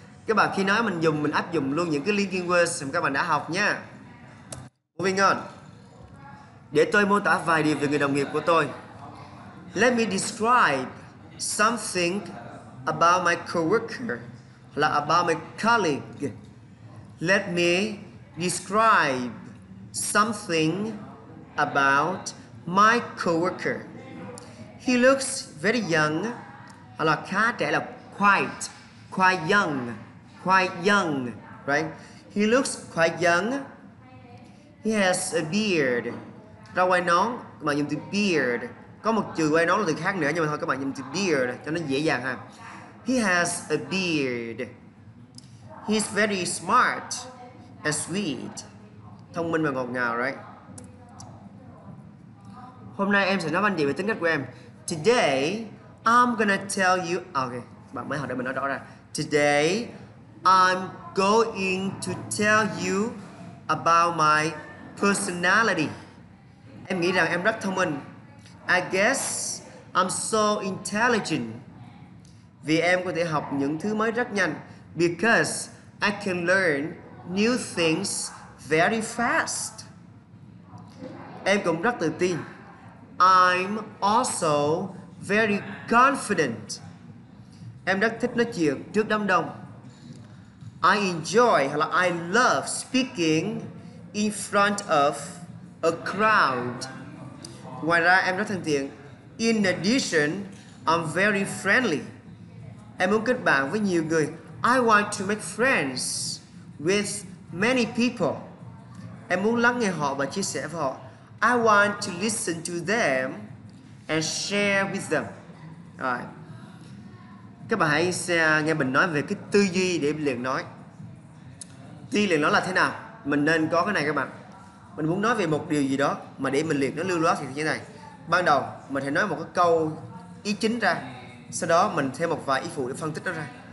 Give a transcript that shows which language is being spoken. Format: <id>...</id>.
<vi>Các bạn khi nói mình áp dụng luôn những cái linking words mà các bạn đã học nha.</vi> <en>Moving on.</en> <vi>Để tôi mô tả vài điều về người đồng nghiệp của tôi.</vi> <en>Let me describe something about my coworker, là about my colleague. Let me describe something about my coworker. He looks very young,</en> <vi>là khá trẻ,</vi> <en>là quite young, right? He looks quite young. He has a beard.</en> <vi>Ra ngoài nón, mà dùng từ beard. Có một từ quay nón là từ khác nữa, nhưng mà thôi các bạn nhìn từ beard cho nó dễ dàng ha.</vi> <en>He has a beard. He's very smart and sweet.</en> <vi>Thông minh và ngọt ngào, right? Hôm nay em sẽ nói anh về tính cách của em.</vi> <en>Today, I'm gonna tell you...</en> <vi>Okay, bạn mới học để mình nói rõ ra.</vi> <en>Today, I'm going to tell you about my personality.</en> <vi>Em nghĩ rằng em rất thông minh.</vi> <en>I guess I'm so intelligent.</en> <vi>Vì em có thể học những thứ mới rất nhanh.</vi> <en>Because I can learn new things very fast.</en> <vi>Em cũng rất tự tin.</vi> <en>I'm also very confident.</en> <vi>Em rất thích nói chuyện trước đám đông.</vi> <en>I enjoy, hoặc là I love speaking in front of a crowd.</en> <vi>Ngoài ra em rất thân thiện.</vi> <en>In addition, I'm very friendly.</en> <vi>Em muốn kết bạn với nhiều người.</vi> <en>I want to make friends with many people.</en> <vi>Em muốn lắng nghe họ và chia sẻ với họ.</vi> <en>I want to listen to them and share with them. Alright.</en> <vi>Các bạn hãy nghe mình nói về cái tư duy để luyện nói. Tư duy luyện nói là thế nào? Mình nên có cái này các bạn. Mình muốn nói về một điều gì đó mà để mình liệt nó lưu loát thì như thế này. Ban đầu mình hãy nói một cái câu ý chính ra, sau đó mình thêm một vài ý phụ để phân tích nó ra.</vi>